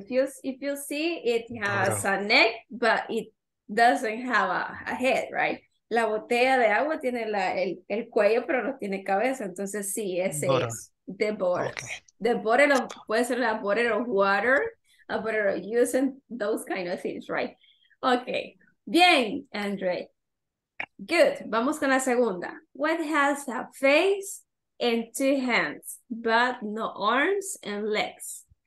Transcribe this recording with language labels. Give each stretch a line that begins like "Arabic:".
English: If you see, it has a neck, but it doesn't have a head, right?
Spanish: la botella de agua tiene la, el cuello, pero no tiene cabeza. Entonces, sí, ese bottle. Es. The bottle. Okay.
English: The bottle of,
Spanish: puede ser la
English: bottle of water, a bottle of using those kind of things, right? Okay.
Spanish: Bien,
English: Andre. Good.
Spanish: Vamos con la segunda.
English: What has a face and two hands, but no arms and legs?